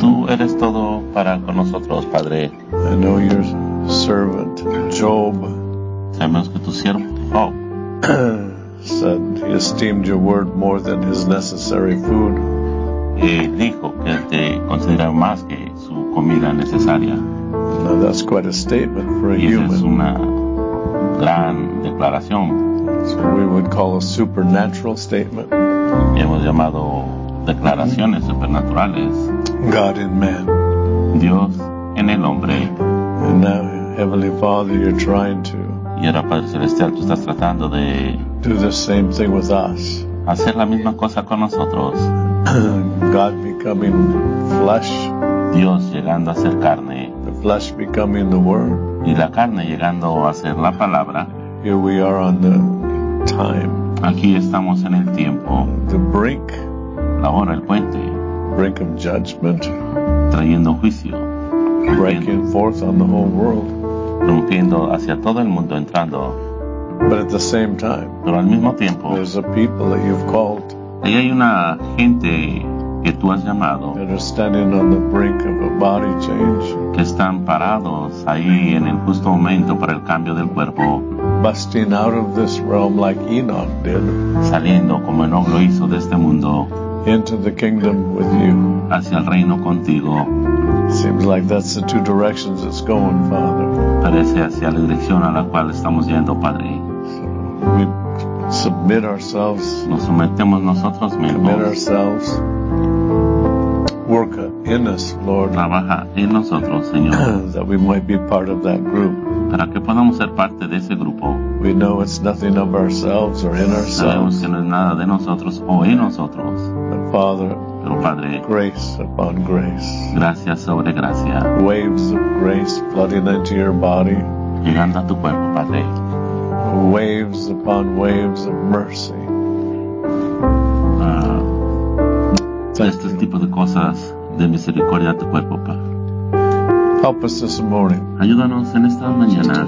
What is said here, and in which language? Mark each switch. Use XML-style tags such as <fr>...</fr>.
<es>Tú eres todo para con nosotros, Padre.</es> <en>I know your servant, Job.</en> <es>Sabemos que tu siervo, Job,</es> <en>said he esteemed your word more than his necessary food.</en> <es>Y dijo que te consideraba más que su comida necesaria.</es> <en>Now that's quite a statement for a</en> <es>y</es> <en>human.</en> <es>Y es una gran declaración.</es> <en>So we would call a supernatural statement.</en> <es>Y hemos llamado declaraciones supernaturales.</es> <en>God in man.</en> <es>Dios en el hombre.</es> <en>And now, Heavenly Father, you're trying to.</en> <es>Y ahora, Padre Celestial, tú estás tratando de.</es> <en>Do the same thing with us.</en> <es>Hacer la misma cosa con nosotros.</es> <en>God becoming flesh.</en> <es>Dios llegando a ser carne.</es> <en>The flesh becoming the word.</en> <es>Y la carne llegando a ser la palabra.</es> <en>Here we are on the time.</en> <es>Aquí estamos en el tiempo.</es> <en>The brink.</en> <es>Ahora el puente.</es> <en>Brink of judgment.</en> <es>Trayendo juicio.</es> <en>Breaking forth on the whole world.</en> <es>Rompiendo hacia todo el mundo, entrando.</es> <en>But at the same time.</en> <es>Pero al mismo tiempo.</es> <en>There's a people that you've called.</en> <es>Ahí hay una gente que tú has llamado.</es> <en>That are standing on the brink of a body change.</en> <es>Que están parados ahí en el justo momento para el cambio del cuerpo.</es> <en>Busting out of this realm like Enoch did.</en> <es>Saliendo como Enoch lo hizo de este mundo.</es> <en>Into the kingdom with you.</en> <es>Hacia el reino contigo.</es> <en>Seems like that's the two directions it's going, Father.</en> <es>Parece hacia la dirección a la cual estamos yendo, Padre.</es> <en>We submit ourselves.</en> <es>Nos sometemos nosotros mismos.</es> <en>Commit ourselves. Work in us, Lord.</en> <es>Trabaja en nosotros, Señor.</es> <en>That we might be part of that group.</en> <es>Para que podamos ser parte de ese grupo.</es> <en>We know it's nothing of ourselves or in ourselves.</en> <es>Sabemos que no es nada de nosotros o en nosotros.</es> <en>But Father,</en> <es>pero Padre,</es> <en>grace upon grace.</en> <es>Gracia sobre gracia.</es> <en>Waves of grace flooding into your body.</en> <es>Llegando a tu cuerpo, Padre.</es> <en>Waves upon waves of mercy.</en> <es>Este tipo de cosas de misericordia a tu cuerpo, Padre.</es> <en>Help us this morning.</en> <es>Ayúdanos en esta mañana.</es>